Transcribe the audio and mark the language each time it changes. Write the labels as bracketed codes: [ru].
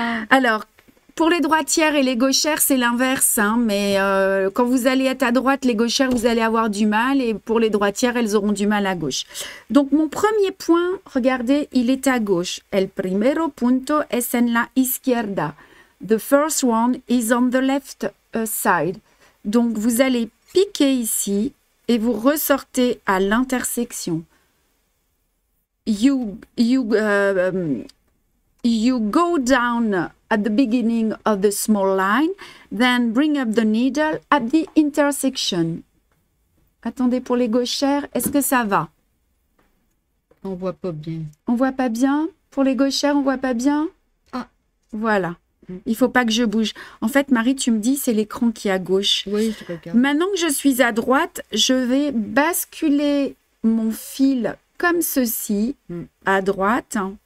[fr] Alors, pour les droitières et les gauchères, c'est l'inverse, hein, mais quand vous allez être à droite, les gauchères, vous allez avoir du mal, et pour les droitières, elles auront du mal à gauche. Donc, mon premier point, regardez, il est à gauche. [es] El primero punto es en la izquierda. [en] The first one is on the left side. [fr] Donc, vous allez piquer ici et vous ressortez à l'intersection. [en] You go down at the beginning of the small line, then bring up the needle at the intersection. [fr] Attendez pour les gauchères, est-ce que ça va? On voit pas bien. On voit pas bien? Pour les gauchères, on voit pas bien? Ah. Voilà. Il faut pas que je bouge. En fait, Marie, tu me dis, c'est l'écran qui est à gauche. Oui, je regarde. Maintenant que je suis à droite, je vais basculer mon fil comme ceci, à droite.